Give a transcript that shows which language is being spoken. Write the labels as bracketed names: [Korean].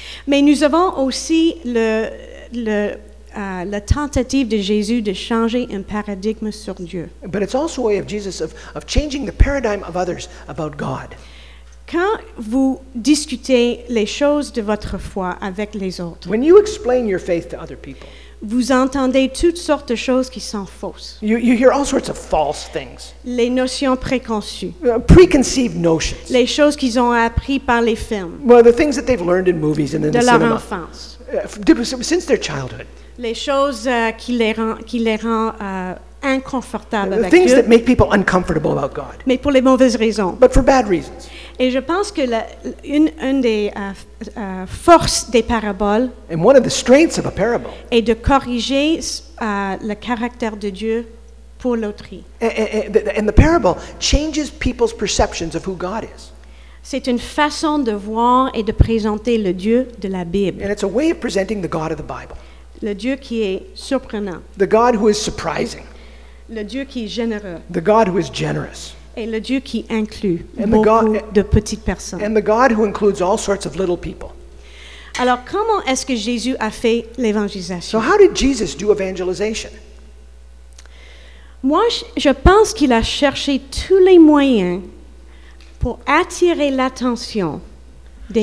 [French] Mais nous avons aussi la tentative de Jésus de changer un paradigme sur Dieu. [English] But it's also a way of Jesus of changing the paradigm of others about God. [French] Quand vous discutez les choses de votre foi avec les autres, [English] when you explain your faith to other people, [French] vous entendez toutes sortes de choses qui sont fausses. [English] You hear all sorts of false things. [French] Les notions préconçues. [English] Preconceived notions. [French] Les choses qu'ils ont apprises par les films. [English] Well, the things that they've learned in movies and in the cinema. [French] De leur enfance. [English] Since their childhood. [French] Les choses qui les rend inconfortables avec [English] things [French] Dieu. [English] That make people uncomfortable about God. [French] Mais pour les mauvaises raisons. [English] But for bad reasons. [French] Et je pense que une des forces des paraboles [English] and one of the strengths of a parable [French] est de corriger le caractère de Dieu pour l'autrui. [English] And the parable changes people's perceptions of who God is. [French] C'est une façon de voir et de présenter le Dieu de la Bible. [English] And it's a way of presenting the God of the Bible. [French] Le Dieu qui est surprenant. [English] The God who is surprising. [French] Le Dieu qui est généreux. [English] The God who is generous. [French] Et le Dieu qui inclut beaucoup de petites personnes. [English] And the God who includes all sorts of little people. [French] Alors, comment est-ce que Jésus a fait l'évangélisation? [English] So how did Jesus do evangelization? [French] Moi, je pense qu'il a cherché tous les moyens pour attirer l'attention des